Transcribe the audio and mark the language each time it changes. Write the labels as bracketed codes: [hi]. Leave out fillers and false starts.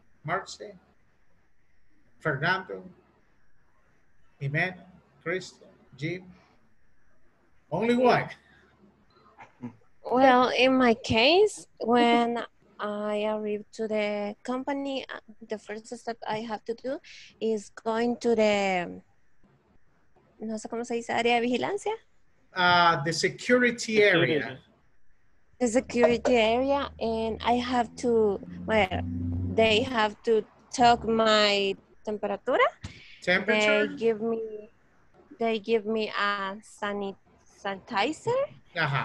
[en] Marce, Fernando, Imen, Crystal, Jim? Only one. Well, in my case, when I arrive to the company, the first step I have to do is going to the... [es] No sé cómo se dice, área de vigilancia. [en] The security area. The security area, and I have to, well, they have to check my temperatura. Temperature? They give me a sanitizer. Uh-huh.